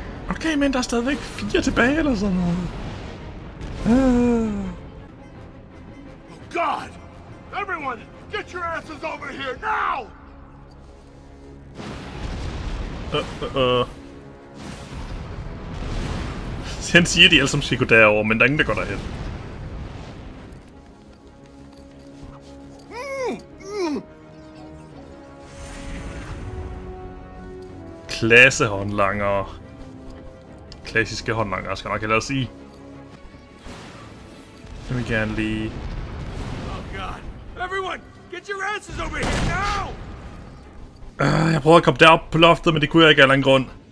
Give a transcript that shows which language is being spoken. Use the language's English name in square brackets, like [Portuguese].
[Danish] Okay, men der er stadigvæk 4 tilbage eller sådan noget. [English] Oh god! Everyone, get your asses over here now! [Danish] Sen siger de alle som Chico derovre, men der er ingen, der går derhen. Klasse håndlanger. Klassiske håndlanger, skal nok ellers sige. Jeg vil gerne lige... [English] Oh god! Everyone! Get your asses over here now! [Danish] Jeg prøvede at komme derop på loftet, men det kunne jeg ikke af en grund.